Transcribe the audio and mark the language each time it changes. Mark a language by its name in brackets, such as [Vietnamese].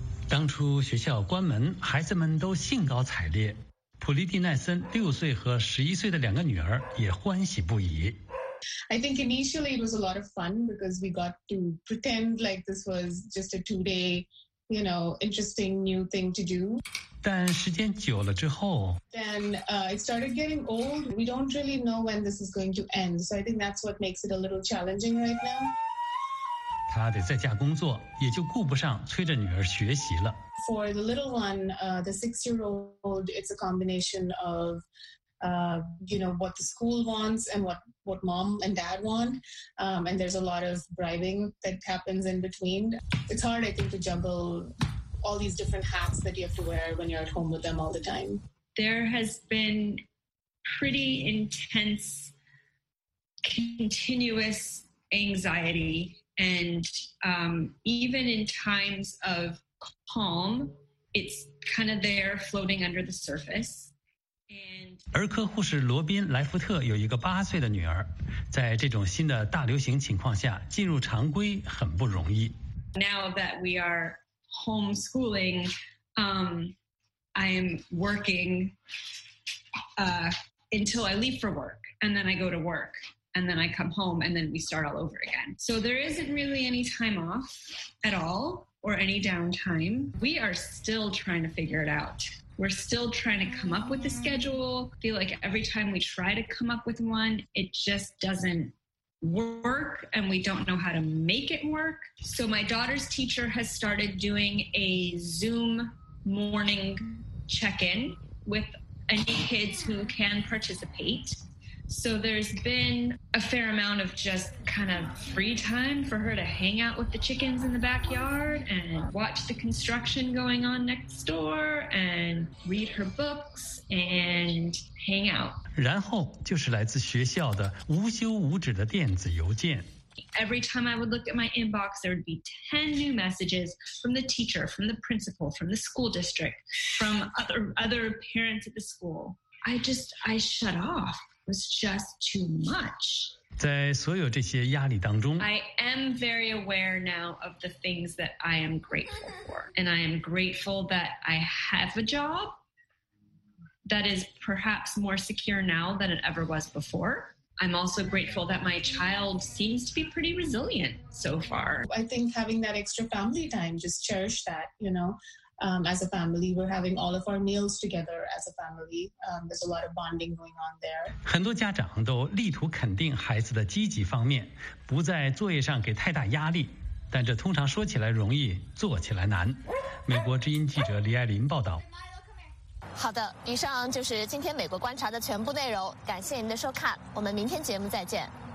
[Chinese] 当初学校关门，孩子们都兴高采烈，普利蒂奈森6岁和11岁的两个女儿也欢喜不已。 [English] I think initially it was a lot of fun because we got to pretend like this was just a two-day, you know, interesting new thing to do. [Chinese] 但时间久了之后 [English] ，Then it started getting old. We don't really know when this is going to end. So I think that's what makes it a little challenging right now. [Chinese] 她得在家工作，也就顾不上催着女儿学习了。 [English] For the little one, the 6-year-old, it's a combination of. You know, what the school wants and what mom and dad want. And there's a lot of bribing that happens in between. It's hard, I think, to juggle all these different hats that you have to wear when you're at home with them all the time. There has been pretty intense, continuous anxiety. And even in times of calm, it's kind of there floating under the surface. [Chinese] 儿科护士罗宾·莱福特有一个8岁的女儿，在这种新的大流行情况下进入常规很不容易。 [English] Now that we are homeschooling, I am working until I leave for work, and then I go to work, and then I come home, and then we start all over again. So there isn't really any time off at all or any downtime. We are still trying to figure it out. We're still trying to come up with a schedule. I feel like every time we try to come up with one, it just doesn't work, and we don't know how to make it work. So my daughter's teacher has started doing a Zoom morning check-in with any kids who can participate. So there's been a fair amount of just kind of free time for her to hang out with the chickens in the backyard and watch the construction going on next door and read her books and hang out. [Chinese] 然后就是来自学校的无休无止的电子邮件。 [English] Every time I would look at my inbox, there would be 10 new messages from the teacher, from the principal, from the school district, from other parents at the school. I shut off. Was just too much. [Chinese] 在所有这些压力当中 [English] I am very aware now of the things that I am grateful for. And I am grateful that I have a job that is perhaps more secure now than it ever was before. I'm also grateful that my child seems to be pretty resilient so far. I think having that extra family time, just cherish that, you know. As a family, we're having all of our meals together as a family. There's a lot of bonding going on there. [Chinese] 很多家长都力图肯定孩子的积极方面，不在作业上给太大压力，但这通常说起来容易，做起来难。美国之音记者李爱琳报道。好的，以上就是今天美国观察的全部内容，感谢您的收看，我们明天节目再见。